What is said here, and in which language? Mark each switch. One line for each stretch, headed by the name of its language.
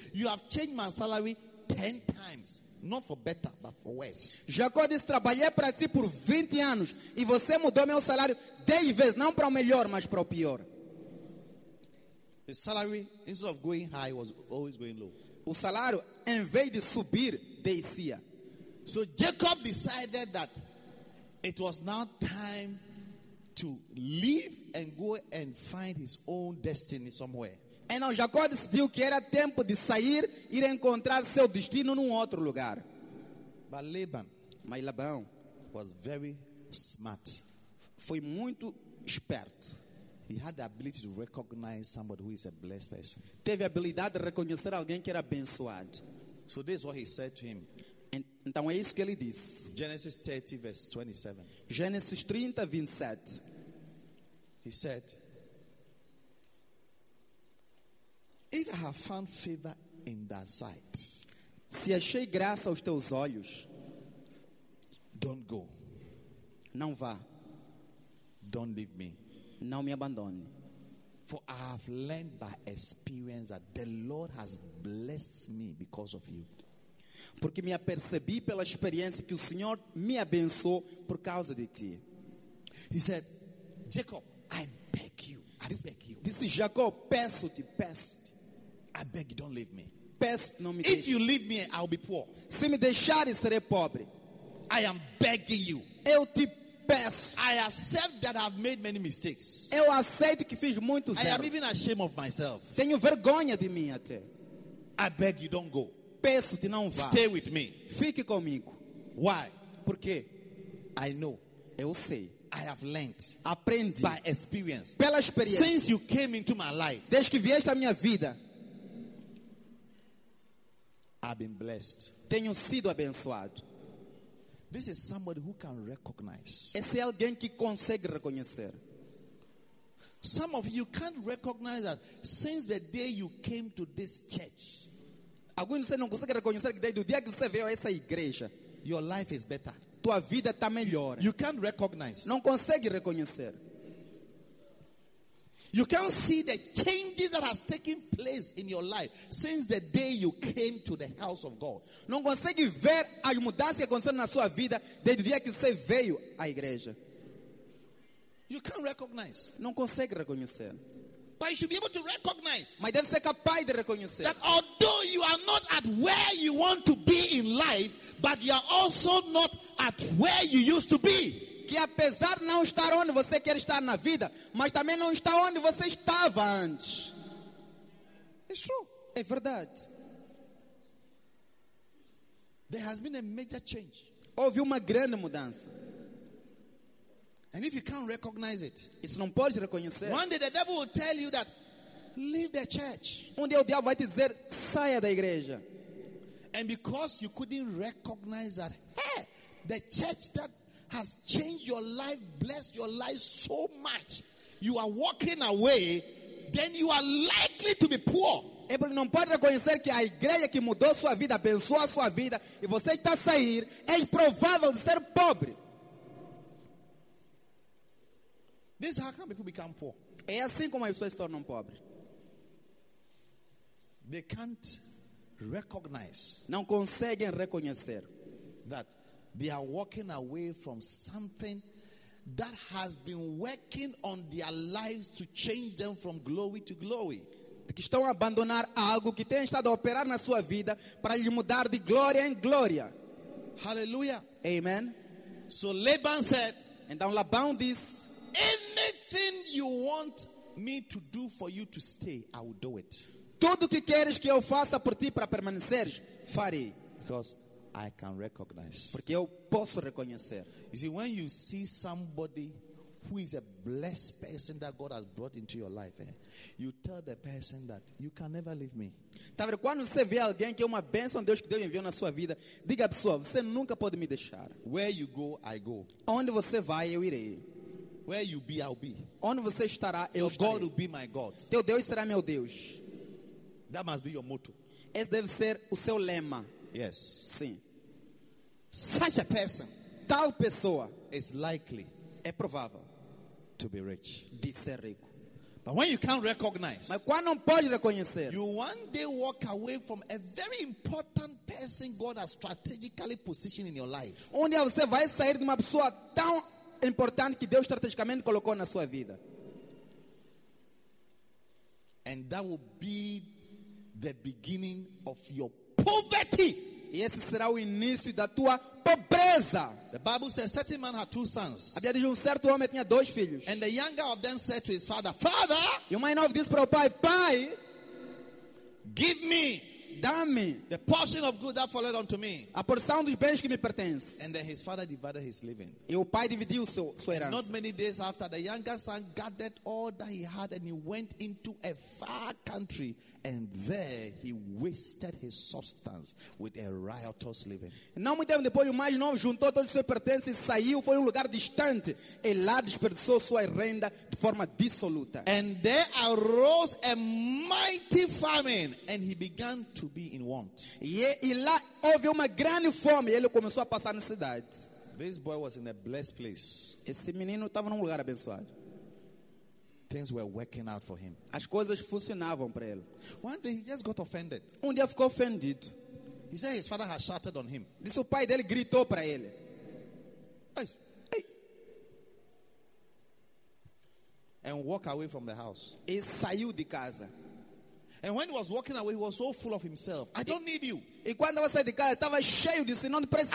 English: You have changed my salary 10 times. Not for better, but for worse.
Portuguese: Jacob disse, trabalhei para ti por 20 anos e você mudou meu salário 10 vezes, não para o melhor, mas para o pior.
English: The salary, instead of going high, was always going low.
Portuguese: O salário, em vez de subir, descia.
English: So Jacob decided that it was now time to leave and go and find his own destiny somewhere. And now
Portuguese: Jacob decidiu que era tempo de sair e ir encontrar seu destino num outro lugar.
English: But Laban, my Laban, was very smart.
Portuguese: Foi muito esperto.
English: He had the ability to recognize somebody who is a blessed person.
Portuguese: Teve a habilidade de reconhecer alguém que era abençoado.
English: So this is what he said to him.
Portuguese: Então é isso que ele disse.
English: Genesis 30, verse 27.
Portuguese: Gênesis 30, 27.
English: He said, if I have found favor in thy sight,
Portuguese: se achei graça aos teus olhos,
English: don't go.
Portuguese: Não vá.
English: Don't leave me.
Portuguese: Não me abandone.
English: For I have learned by experience that the Lord has blessed me because of you.
Portuguese: Porque me apercebi pela experiência que o Senhor me abençoou por causa de ti.
English: He said, Jacob, I beg you,
Portuguese: Disse Jacob, peço-te.
English: I beg you, don't leave me.
Portuguese: Peço, não me deixe.
English: If you leave me, I'll be poor.
Portuguese: Se me deixares, serei pobre.
English: I am begging you.
Portuguese: Eu te peço.
English: I accept that I've made many mistakes.
Portuguese: Eu aceito que fiz muitos erros.
English: I am even ashamed of myself.
Portuguese: Tenho vergonha de mim até.
English: I beg you, don't go.
Portuguese: Peço-te, não vá.
English: Stay with me.
Portuguese: Fique comigo.
English: Why?
Portuguese: Porque
English: I know.
Portuguese: Eu sei.
English: I have learned.
Portuguese: Aprendi.
English: By experience.
Portuguese: Pela experiência.
English: Since you came into my life.
Portuguese: Desde que vieste à minha vida.
English: I've been blessed.
Portuguese: Tenho sido abençoado.
English: This is somebody who can recognize.
Portuguese: Esse é alguém que consegue reconhecer.
English: Some of you can't recognize that since the day you came to this church.
Portuguese: Alguns de vocês não conseguem reconhecer que desde o dia que você veio a essa igreja,
English: your life is better.
Portuguese: Tua vida está melhor.
English: You can't recognize.
Portuguese: Não consegue reconhecer.
English: You can't see the changes that has taken place in your life since the day you came to the house of God.
Portuguese: Não consegue ver a mudança que aconteceu na sua vida desde o dia que você veio à igreja.
English: You can't recognize.
Portuguese: Não consegue reconhecer.
English: But you should be able to recognize.
Portuguese: Mas deve ser capaz de reconhecer.
English: That although you are not at where you want to be in life, but you are also not at where you used to be.
Portuguese: Que apesar de não estar onde você quer estar na vida, mas também não está onde você estava antes.
English: It's true.
Portuguese: É verdade.
English: There has been a major change.
Portuguese: Houve uma grande mudança.
English: And if you can't recognize it, it's
Portuguese: não pode reconhecer.
English: One day the devil will tell you that leave the church.
Portuguese: Um dia o diabo vai te dizer saia da igreja.
English: And because you couldn't recognize that, hey, the church that has changed your life, blessed your life so much, you are walking away, then you are likely to be poor.
Portuguese: É porque não pode reconhecer que a igreja que mudou sua vida, abençoou a sua vida, e você está a sair, é provável de ser pobre.
English: This is how can people become poor?
Portuguese: É assim como as pessoas se tornam pobres.
English: They can't recognize.
Portuguese: Não conseguem reconhecer
English: that they are walking away from something that has been working on their lives to change them from glory to glory.
Portuguese: que estão a abandonar algo que tem estado a operar na sua vida para lhe mudar de glória em glória.
English: Hallelujah.
Portuguese: Amen.
English: So Laban said,
Portuguese: então Labão diz,
English: anything you want me to do for you to stay, I will do it.
Portuguese: Tudo que queres que eu faça por ti para permaneceres, farei.
English: Because I can recognize.
Portuguese: Porque eu posso reconhecer.
English: You see, when you see somebody who is a blessed person that God has brought into your life, eh? You tell the person that you can never leave me.
Portuguese: Tá vendo? Quando você vê alguém que é uma bênção de Deus que Deus enviou na sua vida, diga à pessoa, você nunca pode me deixar.
English: Where you go, I go.
Portuguese: Onde você vai, eu irei.
English: Where you be, I'll be.
Portuguese: Onde você estará, eu estarei.
English: God will be my God.
Portuguese: Teu Deus será meu Deus.
English: That must be your motto.
Portuguese: Esse deve ser o seu lema.
English: Yes.
Portuguese: Sim.
English: Such a person.
Portuguese: Tal pessoa.
English: Is likely.
Portuguese: É provável.
English: To be rich.
Portuguese: De ser rico.
English: But when you can't recognize.
Portuguese: Mas quando não pode reconhecer.
English: You one day walk away from a very important person God has strategically positioned in your life.
Portuguese: Onde você vai sair de uma pessoa tão importante que Deus estrategicamente colocou na sua vida.
English: And that will be the beginning of your poverty.
Portuguese: E esse será o início da tua pobreza.
English: The Bible says a certain man had two sons.
Portuguese: A Bíblia diz um certo homem tinha dois filhos.
English: And the younger of them said to his father, Father, you might know this,
Portuguese: para o pai, pai,
English: give me,
Portuguese: dá-me,
English: the portion of good that followed unto me.
Portuguese: A porção dos bens que me pertence.
English: And then his father divided his living.
Portuguese: E o pai dividiu sua herança.
English: Not many days after, the younger son gathered all that he had and he went into a far country and there he wasted his substance with a riotous living.
Portuguese: Não muito tempo depois, o mais novo juntou todos os seus pertences, saiu, foi um lugar distante e lá desperdiçou sua renda de forma dissoluta.
English: And there arose a mighty famine and he began to be in want.
Portuguese: E lá houve uma grande fome e ele começou a passar necessidade.
English: This boy was in a blessed place.
Portuguese: Esse menino estava num lugar abençoado.
English: Things were working out for him.
Portuguese: As coisas funcionavam para ele.
English: One day he just got offended.
Portuguese: Um dia ficou ofendido.
English: He said his father had shouted on him.
Portuguese: Disse o pai dele gritou para ele. Hey. Hey.
English: And walk away from the house.
Portuguese: E saiu de casa.
English: And when he was walking away, he was so full of himself. I don't need you.
Portuguese: E quando você de casa estava cheio de si, não preciso.